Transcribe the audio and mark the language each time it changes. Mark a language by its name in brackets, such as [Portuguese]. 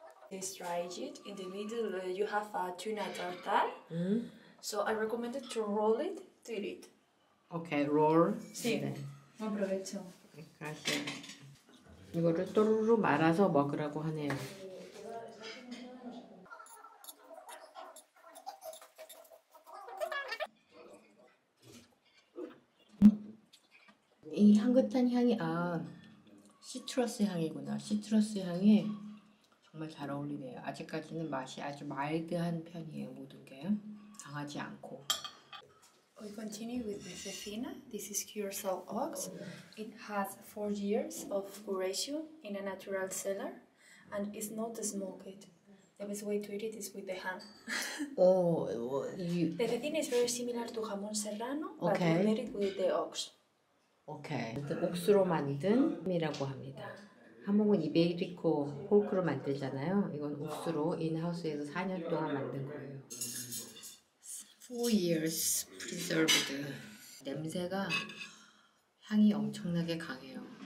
[English] This dry aged in the middle, you have a tuna tartare. So I recommend it to roll it to eat it. Okay, roll. [Spanish] Sí. Aprovecho. Gracias. [Korean] 이거를 또르르 말아서 먹으라고 하네요. 이 향긋한 향이 아 시트러스 향이구나. 시트러스 향이 정말 잘 어울리네요. 아직까지는 맛이 아주 마일드한 편이에요. 모든 게 강하지 않고. [English] We continue with the Zefina. This is Curacao ox. It has 4 years of curation in a natural cellar, and is not smoked. The best way to eat it is with the hand. Oh, well, you. The Zefina is very similar to jamón serrano, okay. But we made it with the ox. Okay. [Korean] 옥수로 만든 햄이라고 합니다. 하몽은 이베리코 포크로 만들잖아요. 이건 옥수로 인하우스에서 4년 동안 만든 거예요. [English] 4 years preserved. [Korean] 냄새가 향이 엄청나게 강해요.